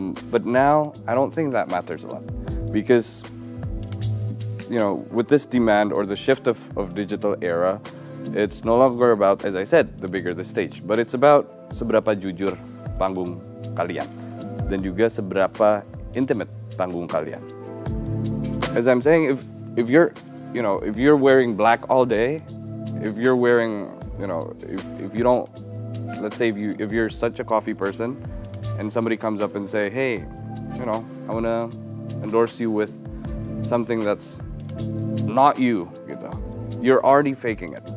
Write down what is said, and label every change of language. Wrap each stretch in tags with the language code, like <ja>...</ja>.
<en>But now, I don't think that matters a lot. Because, you know, with this demand or the shift of digital era, it's no longer about, as I said, the bigger the stage. But it's about</en> <id>seberapa jujur panggung kalian. Dan juga seberapa intimate panggung kalian.</id> <en>As I'm saying, if you're wearing black all day, if you're wearing, you know, if you're such a coffee person, and somebody comes up and say, hey, you know, I wanna endorse you with something that's not you, you know, you're already faking it.</en>